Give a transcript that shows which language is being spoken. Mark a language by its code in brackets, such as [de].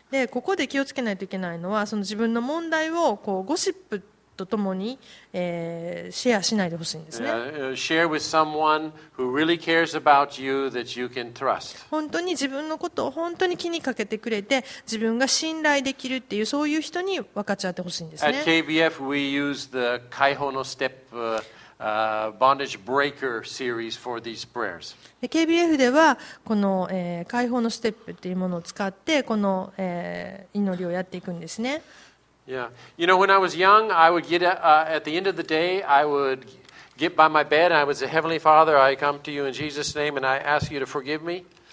[ja] ここで気をつけないといけないのはその自分の問題をこうゴシップとともに、シェアしないでほしいんですね。 [en] Share with someone who really cares about you that you can trust. [ja] 本当に自分のことを本当に気にかけてくれて、自分が信頼できるっていうそういう人に分かち合ってほしいんですね。 [en] At KBF, we use the Kaiho no Step, Bondage Breaker series for these prayers. [ja] KBF ではこの解放のステップっていうものを使ってこの、祈りをやっていくんですね。 [en] Yeah, you know, when I was young, I would get at the end of the day, I would get by my bed. I was a heavenly father. I come to you in Jesus' name, and I ask you to forgive me.